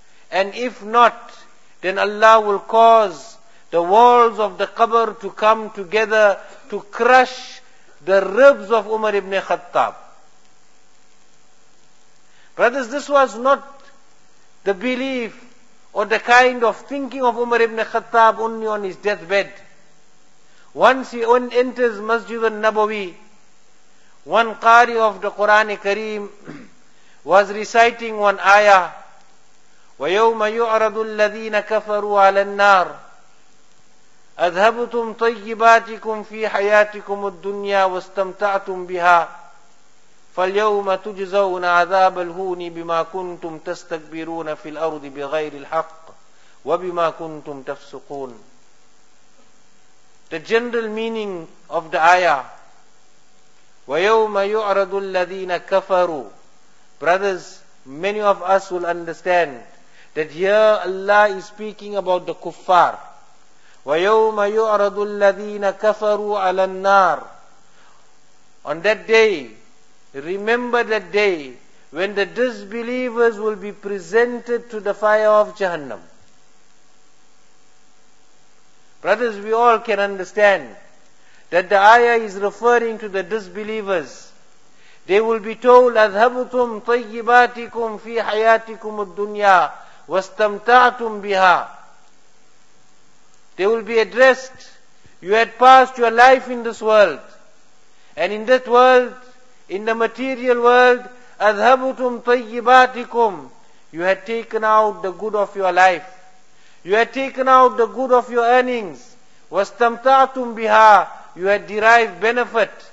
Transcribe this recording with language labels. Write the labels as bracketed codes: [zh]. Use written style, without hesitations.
[en] And if not, then Allah will cause the walls of the qabr to come together to crush the ribs of Umar ibn Khattab. Brothers, this was not the belief or the kind of thinking of Umar ibn Khattab only on his deathbed. Once he enters Masjid al-Nabawi, one qari of the Qur'an al-Kareem was reciting one ayah, [ar] وَيَوْمَ يُعْرَضُ الَّذِينَ كَفَرُوا عَلَى النَّارِ أَذْهَبُتُمْ طَيِّبَاتِكُمْ فِي حَيَاتِكُمُ الدُّنْيَا وَاسْتَمْتَعْتُمْ بِهَا فَالْيَوْمَ تُجْزَوْنَ عَذَابَ الْهُونِ بِمَا كُنْتُمْ تَسْتَكْبِرُونَ فِي الْأَرْضِ بِغَيْرِ الْحَقِّ وَبِمَا كُنْتُمْ تَفْسُقُونَ. [en] The general meaning of the ayah, [ar] وَيَوْمَ يُعْرَضُ الَّذِينَ كَفَرُوا. [en] Brothers, many of us will understand that here Allah is speaking about the kuffar. [ar] وَيَوْمَ يُعْرَضُ الَّذِينَ كَفَرُوا عَلَى النَّارِ. [en] On that day, remember that day when the disbelievers will be presented to the fire of Jahannam. Brothers, we all can understand that the ayah is referring to the disbelievers. They will be told, [ar] أَذْهَبُتُمْ طَيِّبَاتِكُمْ فِي حَيَاتِكُمُ الدُّنْيَا وَاسْتَمْتَعْتُمْ بِهَا. [en] They will be addressed, you had passed your life in this world, and in that world, in the material world, [ar] أَذْهَبُتُمْ طَيِّبَاتِكُمْ, [en] you had taken out the good of your life, you had taken out the good of your earnings, [ar] وَاسْتَمْتَعْتُمْ بِهَا, [en] you had derived benefit.